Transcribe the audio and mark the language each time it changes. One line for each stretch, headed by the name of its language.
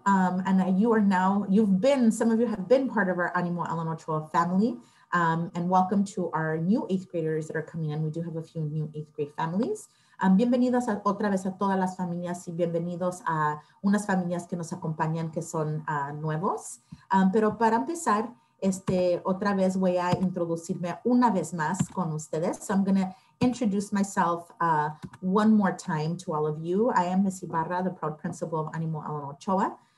English: Some of you have been part of our Ánimo a Uno Ochoa family. And welcome to our new eighth graders that are coming in. We do have a few new eighth grade families.
Spanish: Bienvenidos otra vez a todas las familias y bienvenidos a unas familias que nos acompañan que son nuevos. Pero para empezar, otra vez voy a introducirme una vez más con ustedes.
English: So I'm going to introduce myself one more time to all of you. I am Miss Ibarra, the proud principal of Ánimo a Uno Ochoa.